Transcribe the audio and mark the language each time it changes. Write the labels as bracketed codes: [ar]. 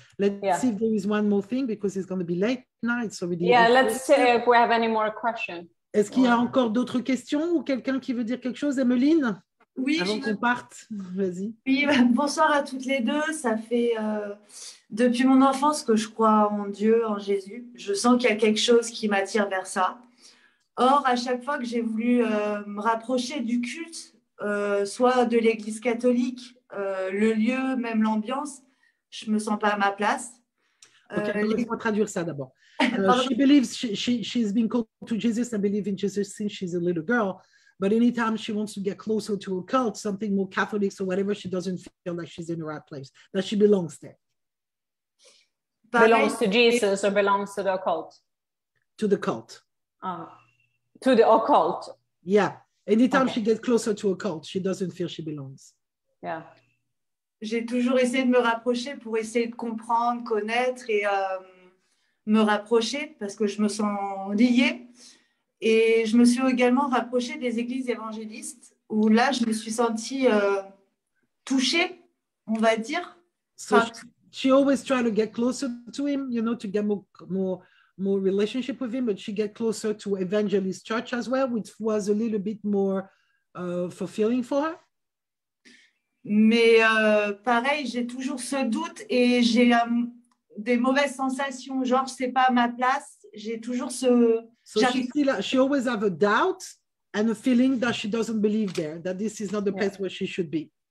[en] Let's see if there is one more thing because it's going to be late night. So let's see if we have any more questions. [fr] Est-ce qu'il y a encore d'autres questions ou quelqu'un qui veut dire quelque chose, Emmeline? Oui, avant qu'on parte, vas-y. Oui, bonsoir à toutes les deux. Ça fait depuis mon enfance que je crois en Dieu, en Jésus. Je sens qu'il y a quelque chose qui m'attire vers ça. Or, à chaque fois que j'ai voulu me rapprocher du culte, soit de l'Église catholique, le lieu, même l'ambiance, je ne me sens pas à ma place. Laisse-moi traduire ça d'abord. [en] She believes she's been called to Jesus and believe in Jesus since she's a little girl. But anytime she wants to get closer to a cult, something more Catholic or whatever, she doesn't feel like she's in the right place, that she belongs there. Belongs to Jesus or belongs to the occult? To the cult. To the occult. Yeah. Anytime she gets closer to a cult, she doesn't feel she belongs. Yeah. [fr] J'ai toujours essayé de me rapprocher pour essayer de comprendre, connaître et me rapprocher parce que je me sens liée. Et je me suis également rapprochée des églises évangélistes où là, je me suis sentie touchée, on va dire. Enfin, [en] she always try to get closer to him, you know, to get more relationship with him, but she get closer to evangelist church as well, which was a little bit more fulfilling for her. [fr] Mais pareil, j'ai toujours ce doute et j'ai des mauvaises sensations, genre c'est pas à ma place. J'ai toujours ce. [en] She always have a doubt and a feeling that she doesn't believe there, that this is not the place where she should be.